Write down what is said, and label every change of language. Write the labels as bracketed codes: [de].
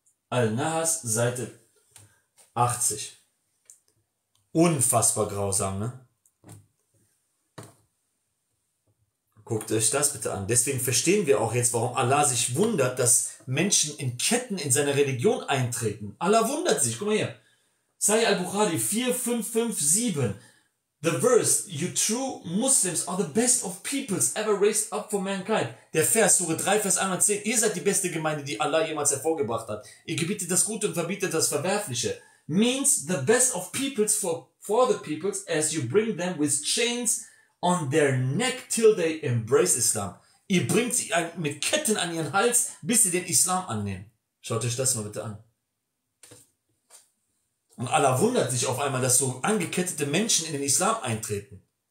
[de] Al-Nahas, Seite 80. Unfassbar grausam, ne? Guckt euch das bitte an. Deswegen verstehen wir auch jetzt, warum Allah sich wundert, dass Menschen in Ketten in seine Religion eintreten. Allah wundert sich. Guck mal hier. Sahih al-Bukhari 4557. [en] The verse, you true Muslims are the best of peoples ever raised up for mankind. [de] Der Vers, Sure 3, Vers 110. Ihr seid die beste Gemeinde, die Allah jemals hervorgebracht hat. Ihr gebietet das Gute und verbietet das Verwerfliche. [en] Means the best of peoples for the peoples as you bring them with chains on their neck till they embrace Islam. [de] Ihr bringt sie mit Ketten an ihren Hals, bis sie den Islam annehmen. Schaut euch das mal bitte an. Und Allah wundert sich auf einmal, dass so angekettete Menschen in den Islam eintreten.